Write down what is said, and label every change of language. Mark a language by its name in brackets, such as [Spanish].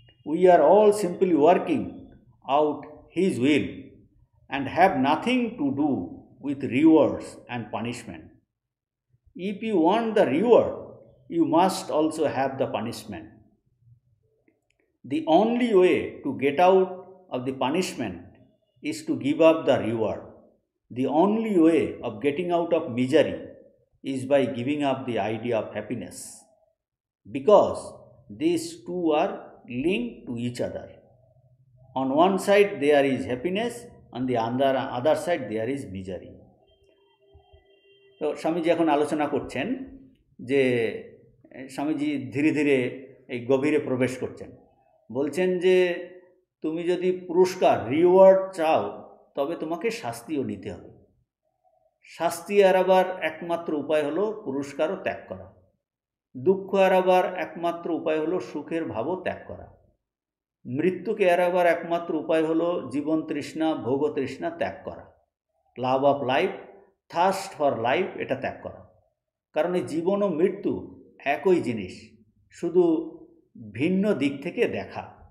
[English] We are all simply working out his will and have nothing to do with rewards and punishment. If you want the reward you must also have the punishment. The only way to get out of the punishment is to give up the reward. The only way of getting out of misery is by giving up the idea of happiness, because these two are linked to each other. On one side there is happiness, on the other side there is misery. [Bangla] So Swamiji ekhon alochona korchen je Swamiji dhire dhire ei gobhire probesh korchen, bolchen je তুমি যদি পুরস্কার reward চাও তবে তোমাকে শাস্তিও নিতে হবে, শাস্তি এড়াবার একমাত্র উপায় হলো পুরস্কারও ত্যাগ করা, দুঃখ এড়াবার একমাত্র উপায় হলো সুখের ভাবও ত্যাগ করা, মৃত্যুকে এড়াবার একমাত্র উপায় হলো জীবন তৃষ্ণা ভোগ তৃষ্ণা ত্যাগ করা, [English] love of life thirst for life [Bangla] এটা ত্যাগ করা, কারণ এই জীবন ও মৃত্যু একই জিনিস, শুধু ভিন্ন দিক থেকে দেখা।